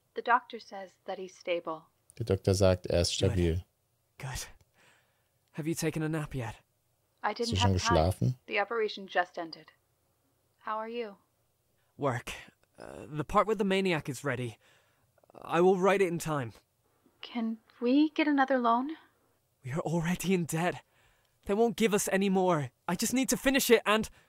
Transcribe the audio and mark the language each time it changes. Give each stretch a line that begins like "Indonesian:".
English: The doctor says that he's stable.
German: Der Doktor sagt, er ist stabil.
English: Good. Have you taken a nap yet? I didn't.
German: Hast du schon geschlafen?
English: The operation just ended. How are you? Work. The part with the maniac is ready. I will write it in time. Can we get another loan? We are already in debt. They won't give us any more. I just need to finish it and...